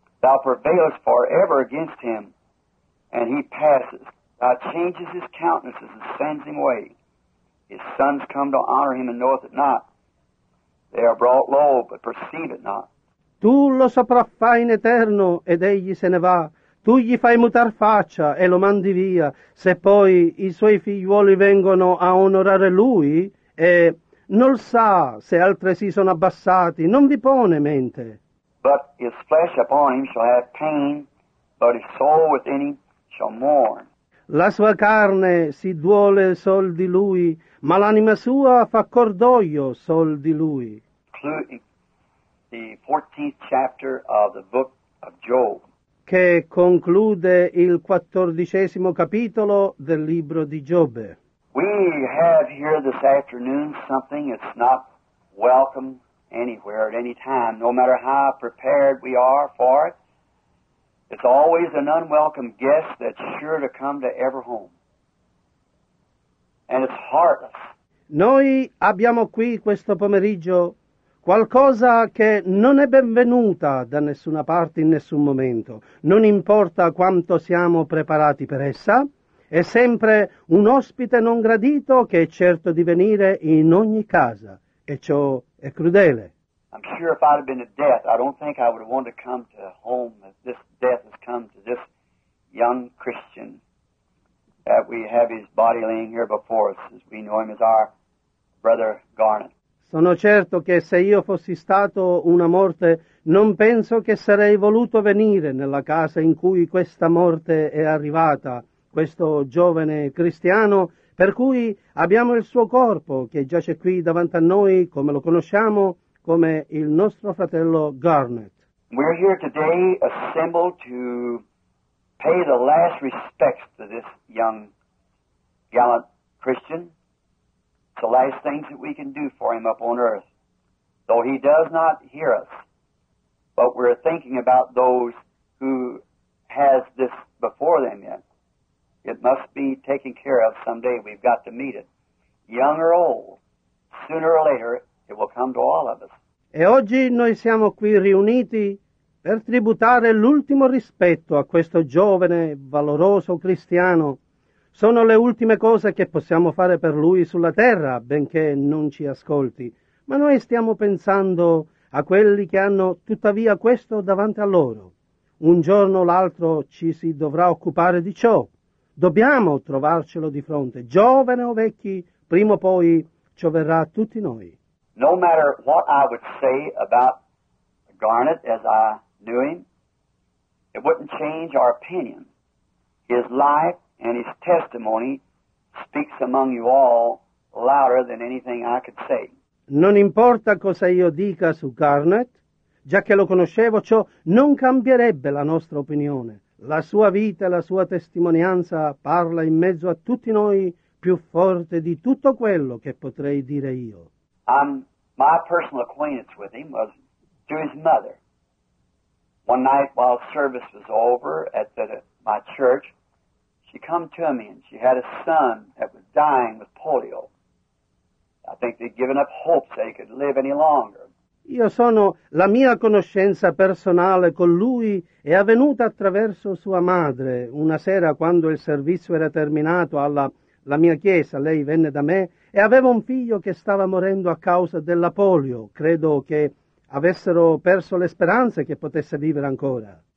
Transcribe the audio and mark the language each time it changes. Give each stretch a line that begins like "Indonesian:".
English: Thou prevailest forever against him, and he passes. Thou changes his countenances and sends him away. His sons come to honor him and knoweth it not. They are brought low, but perceive it not.
Italian: Tu lo sopraffai in eterno ed egli se ne va. Tu gli fai mutar faccia e lo mandi via. Se poi i suoi figliuoli vengono a onorare lui, e non sa se altresì sono abbassati, non vi pone mente.
English: But his flesh upon him shall have pain, but his soul within him shall mourn.
Italian: La sua carne si duole sol di lui, ma l'anima sua fa cordoglio sol di lui.
English: The 14th chapter of the book of Job.
Italian: Che conclude il 14° capitolo del libro di Giobbe.
English: We have here this afternoon something that's not welcome anywhere at any time, no matter how prepared we are for it. It's always an unwelcome guest that's sure to come to every home. And it's heartless.
Italian: Noi abbiamo qui questo pomeriggio qualcosa che non è benvenuta da nessuna parte in nessun momento. Non importa quanto siamo preparati per essa, è sempre un ospite non gradito che è certo di venire in ogni casa. E ciò è crudele.
English: I'm sure if I'd have been to death, I don't think I would have wanted to come to home if this death has come to this young Christian that we have his body laying here before us, as we know him as our brother Garnet.
Italian: Sono certo che se io fossi stato una morte, non penso che sarei voluto venire nella casa in cui questa morte è arrivata, questo giovane cristiano, per cui abbiamo il suo corpo che giace qui davanti a noi, come lo conosciamo, come il nostro fratello Garnet.
English: We're here today assembled to pay the last respects to this young, gallant Christian. The last things that we can do for him up on earth, though he does not hear us, but we're thinking about those who has this before them yet. It must be taken care of someday. We've got to meet it. Young or old, sooner or later, it will come to all of us.
Italian: E oggi noi siamo qui riuniti per tributare l'ultimo rispetto a questo giovane, valoroso cristiano. Sono le ultime cose che possiamo fare per lui sulla terra, benché non ci ascolti. Ma noi stiamo pensando a quelli che hanno tuttavia questo davanti a loro. Un giorno o l'altro ci si dovrà occupare di ciò. Dobbiamo trovarcelo di fronte, giovane o vecchi, prima o poi ciò verrà a tutti noi.
English: No matter what I would say about Garnet as I knew him, it wouldn't change our opinion. His life and his testimony speaks among you all louder than anything I could say.
Italian: Non importa cosa io dica su Garnet, già che lo conoscevo, ciò non cambierebbe la nostra opinione. La sua vita e la sua testimonianza parla in mezzo a tutti noi più forte di tutto quello che potrei dire io.
English: My personal acquaintance with him was through his mother. One night while service was over at my church, she come to me and she had a son that was dying with polio. I think they'd given up hope that he could live any longer.
Italian: Io sono, la mia conoscenza personale con lui è avvenuta attraverso sua madre. Una sera, quando il servizio era terminato alla mia chiesa, lei venne da me e aveva un figlio che stava morendo a causa della polio. Credo che avessero perso le speranze che potesse vivere ancora.